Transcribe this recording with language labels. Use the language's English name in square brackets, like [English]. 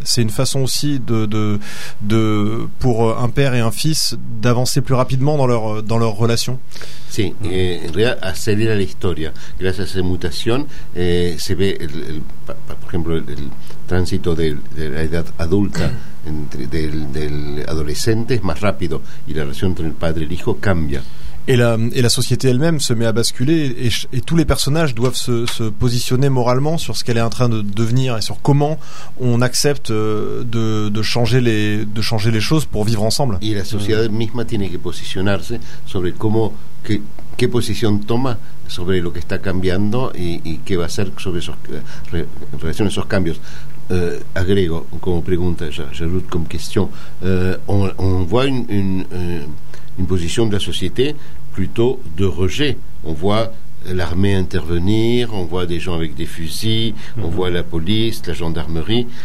[French] C'est une façon aussi de pour un père et un fils d'avancer plus rapidement dans leur relation. Sí, accélère l'histoire. Grâce à cette mutation, [Spanish] se ve par exemple le tránsito de la edad adulta entre del adolescente es más rápido y la relación entre el padre y el hijo cambia. [French] Et la société elle-même se met à basculer et tous les personnages doivent se positionner moralement sur ce qu'elle est en train de devenir et sur comment on accepte de changer les choses pour vivre ensemble. [Spanish] Y la sociedad misma tiene que posicionarse sobre cómo qué posición toma sobre lo que está cambiando y qué va a hacer sobre esos relación a esos cambios. Agrego como pregunta, [French] j'ajoute comme question. On voit une position de la société plutôt de rejet. On voit l'armée intervenir, on voit des gens avec des fusils, mm-hmm. on voit la police, la gendarmerie.